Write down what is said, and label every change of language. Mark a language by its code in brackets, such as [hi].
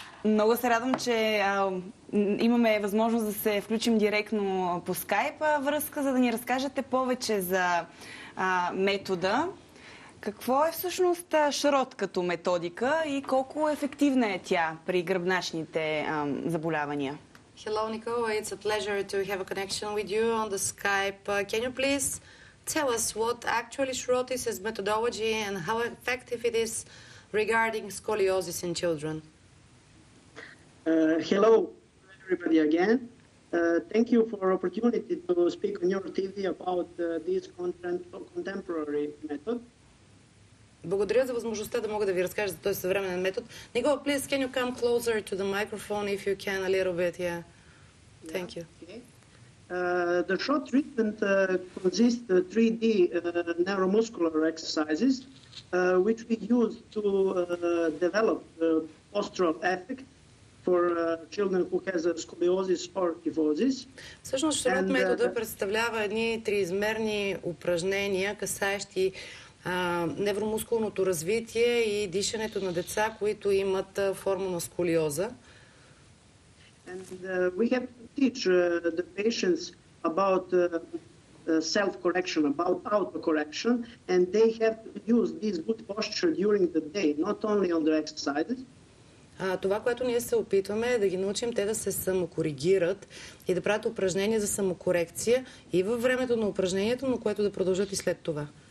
[bg] Много се радвам, че имаме възможност да се включим директно по скайп връзка, за да ни разкажете повече за метода. Какво е всъщност Шрот като методика и колко ефективна е тя при гръбначните заболявания? [en] Hello, Nicole. It's a pleasure to have a connection with you on the Skype. Can you please tell us what actually Shrot is as methodology and how effective it is regarding scoliosis in children? Hello, everybody again. Thank you for the opportunity to speak on your TV about this contemporary method. [bg] Благодаря за възможността да мога да ви разкажа за този съвременен метод. [en] Никола, please, can you come closer to the microphone if you can a little bit? Yeah. Thank you. Okay. The short treatment consists of 3D neuromuscular exercises, which we use to develop the postural effect for children who has a scoliosis or kyphosis. [bg] Всъщност, Шрот метода представлява едни триизмерни упражнения, касаещи невромускулното развитие и дишането на деца, които имат форма на сколиоза. [en] And we have to teach the patients about self-correction, about auto-correction, and they have to use this good posture during the day, not only on the exercises. [bg] Това, което ние се опитваме, е да ги научим те да се самокоригират и да правят упражнения за самокорекция и във времето на упражнението, но което да продължат и след това.